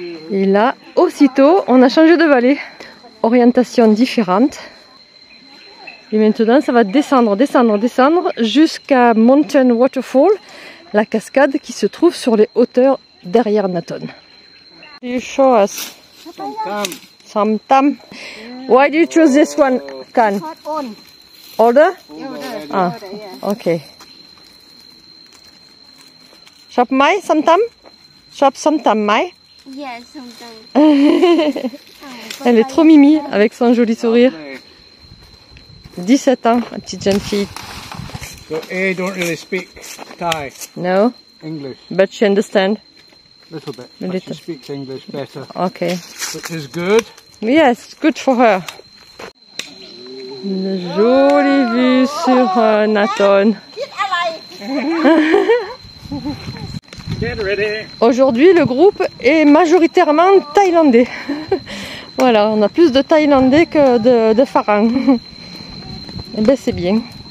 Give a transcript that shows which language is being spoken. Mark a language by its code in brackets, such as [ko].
[fr] Et là, aussitôt, on a changé de vallée. Orientation différente. Et maintenant, ça va descendre jusqu'à Mountain Waterfall, la cascade qui se trouve sur les hauteurs derrière Natton. [en] You show us. [th] Sam-tam. [en] Why do you choose this one, Khan? Older? Ah, okay. [th] Shop mai, sam-tam? Shop sam-tam mai? [en] Yes, sam-tam. [fr] Elle est trop mimi avec son joli sourire. 17 ans, petite jeune fille. [en] So, A don't really speak Thai. No? English. But she understand. Little bit. She speaks English better. Okay. Which is good. Yes, good for her. [fr] Une jolie vue sur Natton. [en] Get ready. [fr] Aujourd'hui, le groupe est majoritairement thaïlandais. Voilà, on a plus de thaïlandais que de Farang. Eh bien, c'est bien.